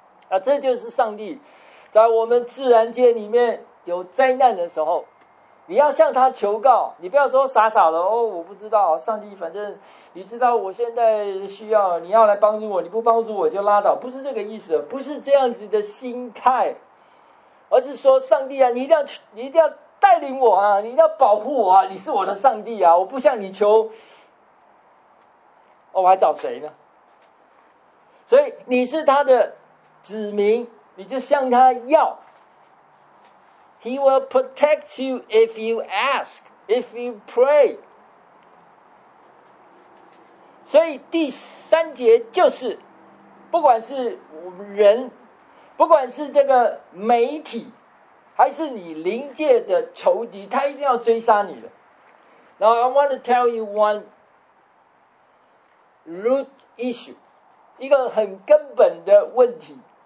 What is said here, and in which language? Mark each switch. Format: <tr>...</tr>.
<zh>啊、这就是上帝在我们自然界里面有灾难的时候，你要向他求告，你不要说傻傻的哦，我不知道，上帝反正你知道我现在需要，你要来帮助我，你不帮助我就拉倒，不是这个意思，不是这样子的心态，而是说上帝啊，你一定要带领我啊，你一定要保护我啊，你是我的上帝啊，我不向你求、哦、我还找谁呢？所以你是他的指明，你就向他要。</zh> <en>He will protect you if you ask, if you pray.</en> <zh>所以第三节就是，不管是人，不管是这个媒体，还是你灵界的仇敌，他一定要追杀你的。</zh> <en>Now I want to tell you one root issue，</en> <zh>一个很根本的问题。</zh>